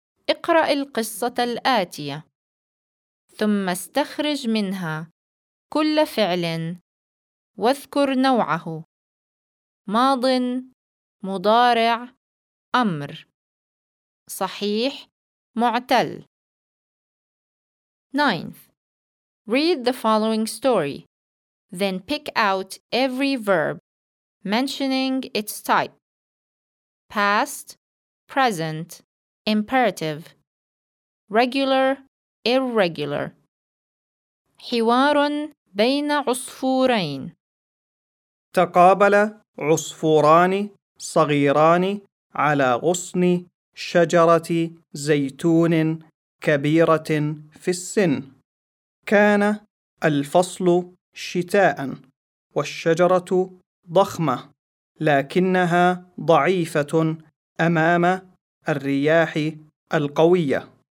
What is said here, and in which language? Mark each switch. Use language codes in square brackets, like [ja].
[ar] اقرأ القصة الآتية ثم استخرج منها كل فعل واذكر نوعه: ماض، مضارع، أمر، صحيح، معتل. 9. [en] Read the following story, then pick out every verb, mentioning its type: past, present, imperative, regular, irregular. [ar] حوار بين عصفورين. تقابل عصفوران صغيران على غصن شجرة زيتون كبيرة في السن. كان الفصل شتاء والشجرة ضخمة لكنها ضعيفة أمام الرياح القوية.